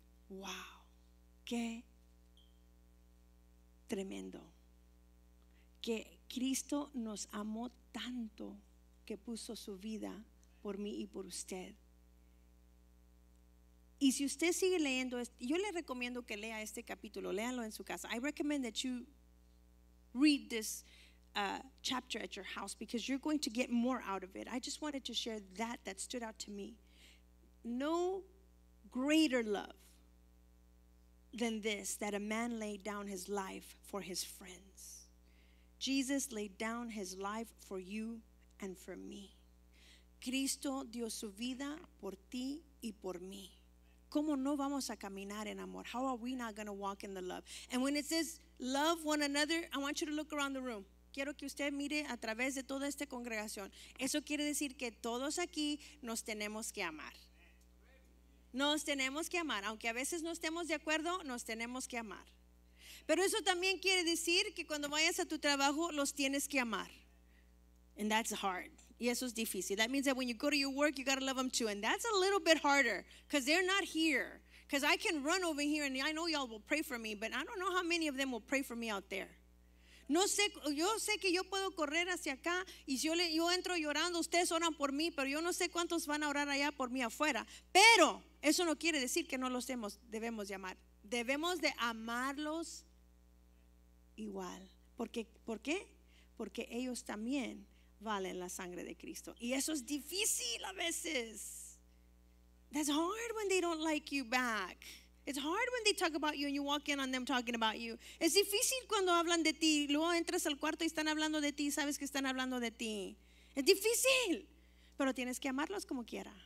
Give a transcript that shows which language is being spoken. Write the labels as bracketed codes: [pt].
[es] Wow, qué tremendo. Que Cristo nos amó tanto que puso su vida por mí y por usted. Y si usted sigue leyendo, yo le recomiendo que lea este capítulo, léanlo en su casa. [en] I recommend that you read this chapter at your house because you're going to get more out of it. I just wanted to share that stood out to me. No greater love than this, that a man laid down his life for his friends. Jesus laid down his life for you and for me. [es] Cristo dio su vida por ti y por mí. ¿Cómo no vamos a caminar en amor? [en] How are we not going to walk in the love? And when it says love one another, I want you to look around the room. [es] Quiero que usted mire a través de toda esta congregación. Eso quiere decir que todos aquí nos tenemos que amar. Nos tenemos que amar. Aunque a veces no estemos de acuerdo, nos tenemos que amar. Pero eso también quiere decir que cuando vayas a tu trabajo los tienes que amar. [en] And that's hard. [es] Y eso es difícil. [en] That means that when you go to your work, you got to love them too. And that's a little bit harder because they're not here. Because I can run over here and I know y'all will pray for me, but I don't know how many of them will pray for me out there. [es] No sé, yo sé que yo puedo correr hacia acá y si yo entro llorando, ustedes oran por mí, pero yo no sé cuántos van a orar allá por mí afuera. Pero eso no quiere decir que no los debemos llamar. Debemos de amarlos igual. ¿Por qué? Porque ellos también valen la sangre de Cristo. Y eso es difícil a veces. [en] That's hard when they don't like you back. It's hard when they talk about you and you walk in on them talking about you. [es] Es difícil cuando hablan de ti, luego entras al cuarto y están hablando de ti, sabes que están hablando de ti. Es difícil, pero tienes que amarlos como quiera.